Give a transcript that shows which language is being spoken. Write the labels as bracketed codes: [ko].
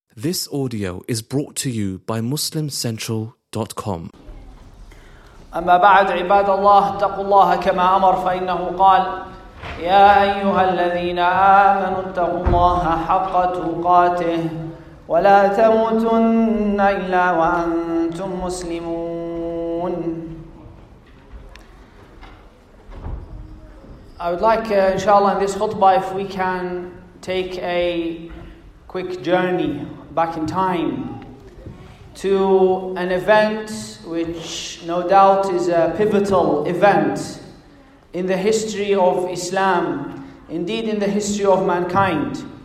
[en] This audio is brought to you by MuslimCentral.com. [ar] أما بعد عباد الله اتقوا الله كما أمر فإنه قال يا أيها الذين آمنوا اتقوا الله حق تقاته ولا تموتن إلا وأنتم مسلمون. [en] I would like inshallah in this khutbah if we can take a quick journey back in time to an event which no doubt is a pivotal event in the history of Islam, indeed in the history of mankind.